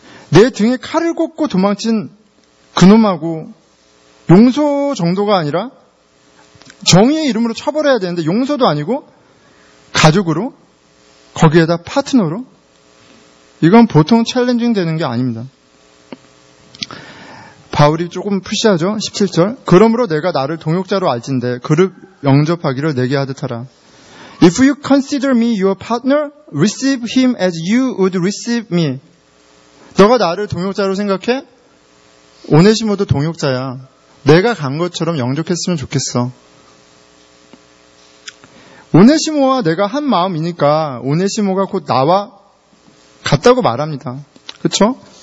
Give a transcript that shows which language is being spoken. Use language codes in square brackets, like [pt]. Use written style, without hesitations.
[ko] 내 등에 칼을 꽂고 도망친 그놈하고 용서 정도가 아니라 정의의 이름으로 처벌해야 되는데 용서도 아니고 가족으로 거기에다 파트너로 이건 보통 챌린징 되는 게 아닙니다. 바울이 조금 푸시하죠. 17절 그러므로 내가 나를 동역자로 알진대 그를 영접하기를 내게 하듯하라. [en] If you consider me your partner, receive him as you would receive me. [ko] 너가 나를 동역자로 생각해? 오네시모도 동역자야. 내가 간 것처럼 영접했으면 좋겠어. 오네시모와 내가 한 마음이니까 오네시모가 곧 나와 같다고 말합니다. 그렇죠?